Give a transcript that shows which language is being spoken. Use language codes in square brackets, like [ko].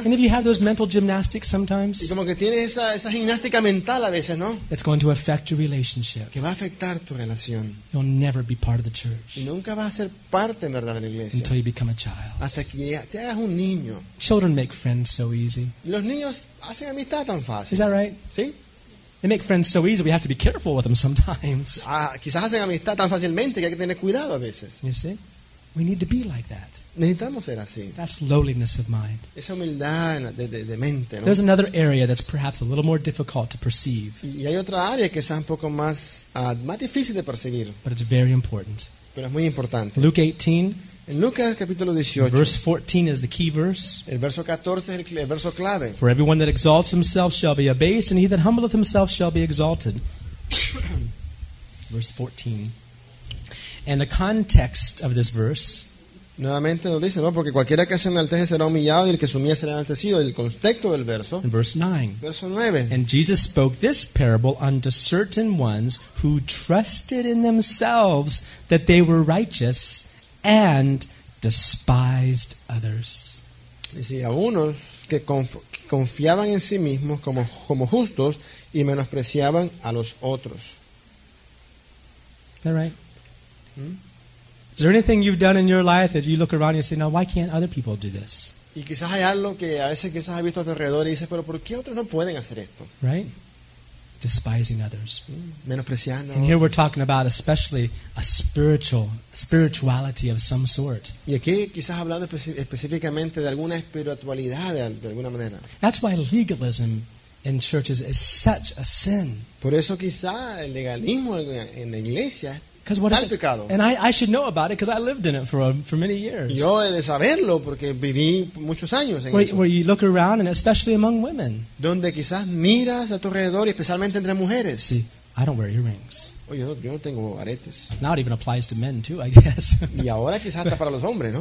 [en] and if you have those mental gymnastics sometimes, [es] y como que tienes esa gimnástica mental a veces, ¿no? [en] It's going to affect your relationship. [es] Que va a afectar tu relación. [en] You'll never be part of the church. [es] Y nunca vas a ser parte, en verdad, de la iglesia. [en] Until you become a child. [es] Hasta que te hagas un niño. [en] Children make friends so easy. [es] Los niños hacen amistad tan fácil. [en] Is that right? [es] ¿Sí? [en] They make friends so easy, we have to be careful with them sometimes. [es] Quizás hacen amistad tan fácilmente que hay que tener cuidado a veces. [en] You see? We need to be like that. [es] Necesitamos ser así. [en] That's lowliness of mind. [es] Esa humildad de mente, ¿no? [en] There's another area that's perhaps a little more difficult to perceive. [es] Y hay otra área que es un poco más difícil de percibir. [en] But it's very important. [es] Pero es muy importante. [en] Luke 18. [es] En Lucas capítulo 18. [en] Verse 14 is the key verse. [es] El verso 14 es el verso clave. [en] For everyone that exalts himself shall be abased, and he that humbleth himself shall be exalted. Verse 14. And the context of this verse. [es] Nuevamente nos dice, ¿no? Porque cualquiera que se enaltece será humillado, y el que se humilla será enaltecido. El contexto del verso. [en] In verse 9. [es] Verso 9. [en] And Jesus spoke this parable unto certain ones who trusted in themselves that they were righteous, and despised others. [es] Dice, a unos que confiaban en sí mismos como justos y menospreciaban a los otros. [en] Is that right? Is there anything you've done in your life that you look around and you say, now why can't other people do this? [es] Y quizás hay algo que a veces quizás has visto a tu alrededor y dices, pero ¿por qué otros no pueden hacer esto? [en] Right? Despising others. [es] Menospreciando. [en] And here we're talking about especially a spirituality of some sort. [es] Y aquí quizás hablando específicamente de alguna espiritualidad de alguna manera. [en] That's why legalism in churches is such a sin. [es] Por eso quizás el legalismo en la iglesia es tal pecado. [en] And I should know about it because I lived in it for many years. [es] Yo he de saberlo porque viví muchos años en eso. [en] Where you look around and especially among women. [es] Donde quizás miras a tu alrededor y especialmente entre mujeres. [en] Sí. I don't wear earrings. [es] Oye, yo no tengo aretes. [en] Now it even applies to men too, I guess. [es] Y ahora quizás hasta para los hombres, ¿no?